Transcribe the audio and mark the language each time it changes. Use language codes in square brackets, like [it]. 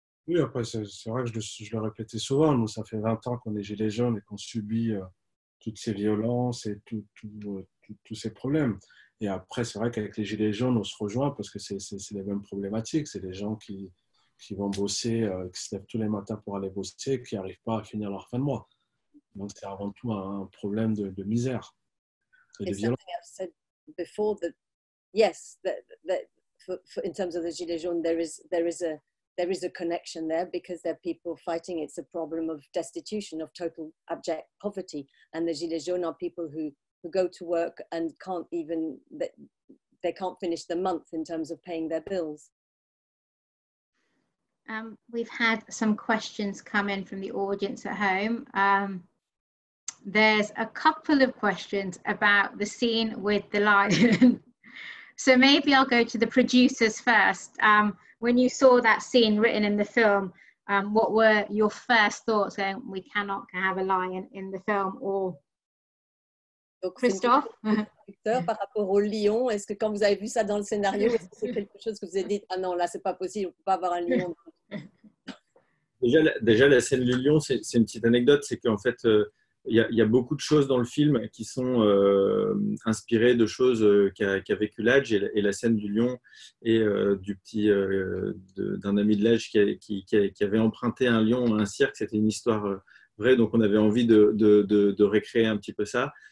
[fr] Oui, après c'est vrai que je le répétais souvent, nous ça fait 20 ans qu'on est gilets jaunes et qu'on subit toutes ces violences et tous ces problèmes. Et après, c'est vrai qu'avec les gilets jaunes, on se rejoint parce que c'est les mêmes problématiques. C'est des gens qui vont bosser, qui se lèvent tous les matins pour aller bosser, qui n'arrivent pas à finir leur fin de mois. Donc, c'est avant tout un problème de misère et de violence. [en] Something I've said before, that yes, that for in terms of the gilets jaunes, there is a there is a connection there because there are people fighting. It's a problem of destitution, of total abject poverty. And the Gilets Jaunes are people who go to work and can't even, they can't finish the month in terms of paying their bills. We've had some questions come in from the audience at home. There's a couple of questions about the scene with the lion. So maybe I'll go to the producers first. When you saw that scene written in the film, what were your first thoughts saying we cannot have a lion in the film? Or Christophe? [fr] Par rapport au lion, est-ce que quand vous avez vu ça dans le scénario, est-ce que c'est quelque chose que vous avez dit, ah non, là, c'est pas possible, on peut pas avoir un lion? Déjà, la scène du lion, c'est une petite anecdote, c'est qu'en fait, il y a beaucoup de choses dans le film qui sont inspirées de choses qu'a vécu Ladj, et la scène du lion et d'un ami de Ladj qui avait emprunté un lion à un cirque, c'était une histoire vraie, donc on avait envie de recréer un petit peu ça.